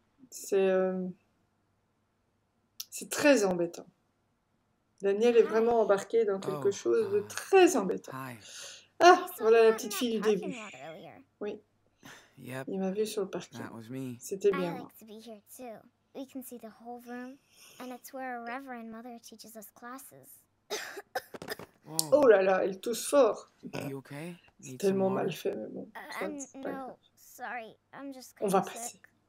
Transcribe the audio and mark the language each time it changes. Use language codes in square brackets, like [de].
[fr] C'est très embêtant. Daniel est vraiment embarqué dans quelque chose de très embêtant. Ah, voilà la petite fille du début. Oui, il m'a vu sur le parking. C'était bien. [en] We can see the whole room, and it's where a reverend mother teaches us classes. [fr] Oh là là, elle tousse fort. [en] Are you okay? [fr] C'est tellement mal fait, mais bon. [en] No, sorry, I'm just going to sick. [fr] On va passer.